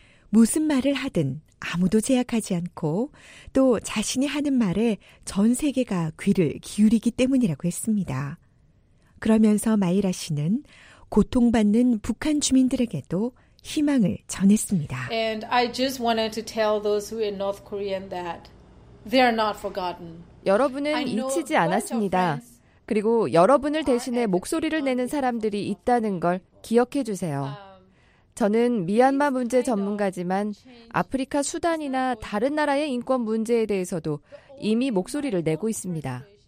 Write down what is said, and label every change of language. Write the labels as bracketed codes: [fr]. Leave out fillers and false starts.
[ko] 무슨 말을 하든 아무도 제약하지 않고 또 자신이 하는 말에 전 세계가 귀를 기울이기 때문이라고 했습니다. 그러면서 마이라 씨는 고통받는 북한 주민들에게도 희망을 전했습니다. [en] And I just wanted to tell those who are North Korean that they are not forgotten. [ko] 여러분은 잊히지 않았습니다. 그리고 여러분을 대신해 목소리를 내는 사람들이 있다는 걸 기억해 주세요. 저는 미얀마 문제 전문가지만 아프리카 수단이나 다른 나라의 인권 문제에 대해서도 이미 목소리를 내고 있습니다.